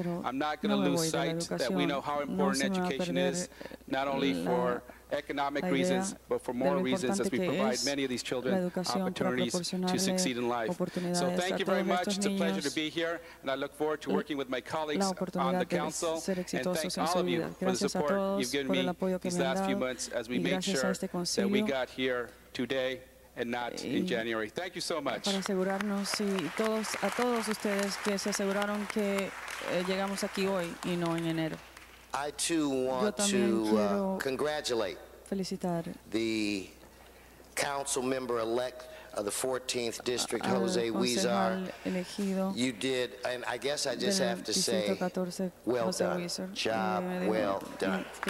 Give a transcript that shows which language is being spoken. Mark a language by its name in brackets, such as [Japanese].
[English] I'm not going to lose sight that we know how important education is, not only for economic reasons, but for moral reasons, as we provide many of these children opportunities to succeed in life. So thank you very much. It's a pleasure to be here, and I look forward to working with my colleagues on the council, and thank all of you for the support you've given me these last few months as we made sure that we got here today and not in January. Thank you so much. [Spanish] Para asegurarnos y todos, a todos ustedes que se aseguraron que llegamos aquí hoy y no en enero. [English] I too want to congratulate [Spanish] felicitar [English] the council member-elect of the 14th District, Jose Huizar. You did, and I guess I just have to say, well done. Job well done.